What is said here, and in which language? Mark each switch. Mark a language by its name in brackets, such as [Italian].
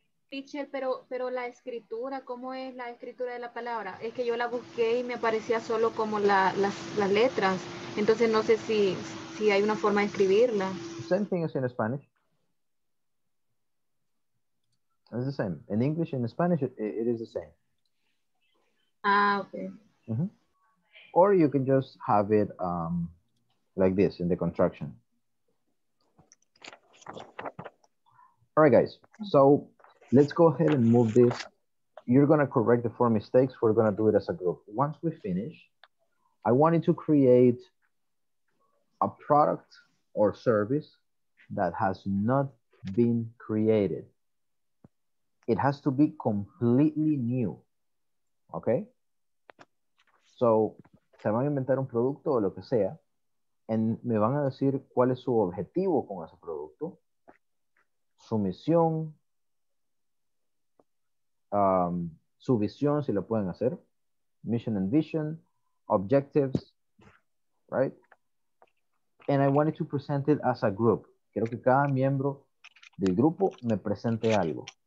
[Spanish] Teacher, pero la escritura, ¿cómo es la escritura de la palabra? Es que yo la busqué y me aparecía solo como las letras. Entonces no sé si hay una forma de escribirla. [English] Same thing as in Spanish. It's the same. In English and Spanish, it is the same. Okay. Mm-hmm. Or you can just have it like this in the contraction. All right, guys. So let's go ahead and move this. You're going to correct the four mistakes. We're going to do it as a group. Once we finish, I wanted to create a product or service that has not been created. It has to be completely new. Okay? [Spanish] So, se van a inventar un producto o lo que sea, and me van a decir cuál es su objetivo con ese producto, su misión, su visión, si lo pueden hacer, [English] mission and vision, objectives, right? And I wanted to present it as a group. [Spanish] Quiero que cada miembro del grupo me presente algo.